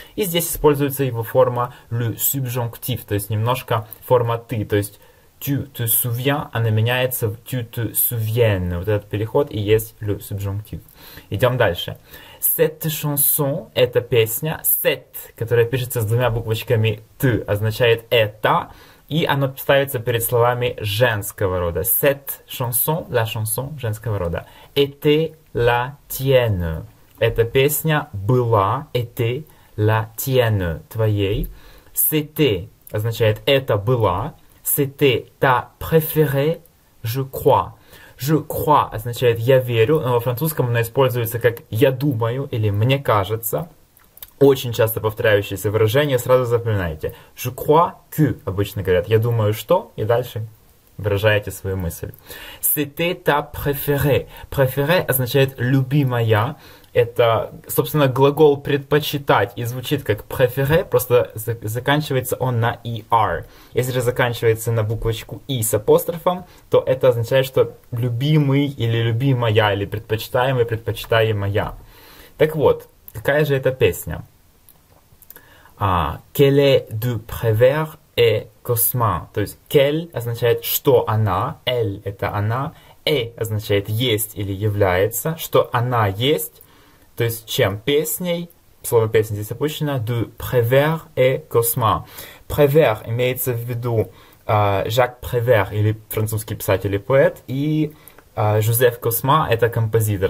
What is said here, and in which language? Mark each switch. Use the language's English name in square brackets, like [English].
[Russian] И здесь используется его форма «le subjonctif», то есть немножко форма «ты», то есть [French] «tu te souviens», [Russian] она меняется в [French] «tu te souviennes». [Russian] Вот этот переход и есть «le subjonctif». Идем дальше. [French] Cette chanson, [Russian] эта песня, cette, которая пишется с двумя буквочками t, означает это, и она ставится перед словами женского рода. [French] Cette chanson, la chanson [Russian] женского рода. [French] Était la tienne. [Russian] Эта песня была, [French] était la tienne, [Russian] твоей. C'était означает это была. [French] C'était ta préférée, je crois. Je crois [Russian] означает «я верю», но во французском она используется как «я думаю» или «мне кажется». Очень часто повторяющееся выражение, сразу запоминайте. [French] Je crois que, [Russian] обычно говорят, я думаю, что, и дальше выражаете свою мысль. [French] C'était ta préférée. [Russian] Préférée означает «любимая». Это, собственно, глагол «предпочитать» и звучит как «préféré», просто заканчивается он на «er». Если же заканчивается на буквочку «i» с апострофом, то это означает, что «любимый» или «любимая», или «предпочитаемый», «предпочитаемая». Так вот, какая же эта песня? [French] «Quelle est du Prévert et Cosma?» [Russian] То есть «quelle» означает «что она», «elle» — это «она», «e» означает «есть» или «является», «что она есть», то есть чем песней, слово песня здесь опущено, [French] du Prévert et Cosma. [Russian] Prévert имеется в виду Жак Prévert, или французский писатель и поэт, и Жозеф Косма, это композитор.